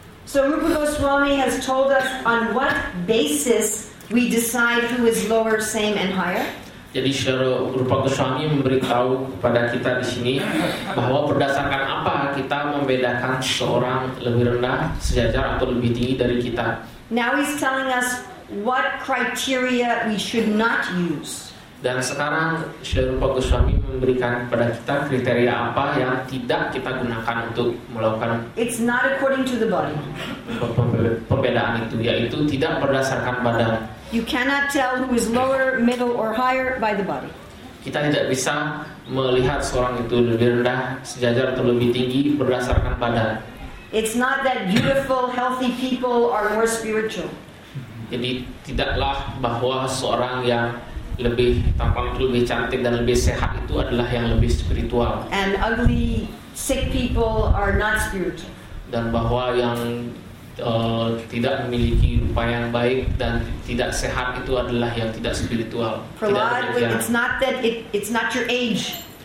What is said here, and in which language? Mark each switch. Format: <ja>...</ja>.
<en>So Rupa Goswami has told us on what basis we decide who is lower, same, and higher.</en> <id>Jadi Rupa Goswami memberitahu kepada kita di sini bahwa berdasarkan apa kita membedakan seorang lebih rendah sejajar atau lebih tinggi dari kita.</id> <en>Now he's telling us what criteria we should not use.</en> <id>Dan sekarang Rupa Goswami memberikan kepada kita kriteria apa yang tidak kita gunakan untuk melakukan.</id> <en>It's not according to the body.</en> <id>Perbedaan itu yaitu tidak berdasarkan badan.</id> <en>You cannot tell who is lower, middle, or higher by the body.</en> <id>Kita tidak bisa melihat seorang itu lebih rendah, sejajar atau lebih tinggi berdasarkan badan.</id> <en>It's not that beautiful, healthy people are more spiritual.</en> <id>Jadi tidaklah bahwa seorang yang lebih tampan, lebih cantik dan lebih sehat itu adalah yang lebih spiritual.</id> <en>And ugly, sick people are not spiritual.</en> <id>Dan bahwa yang tidak memiliki rupa yang baik dan tidak sehat itu adalah yang tidak spiritual.</id> <en>Prahlad, it's not that it's not your age.</en>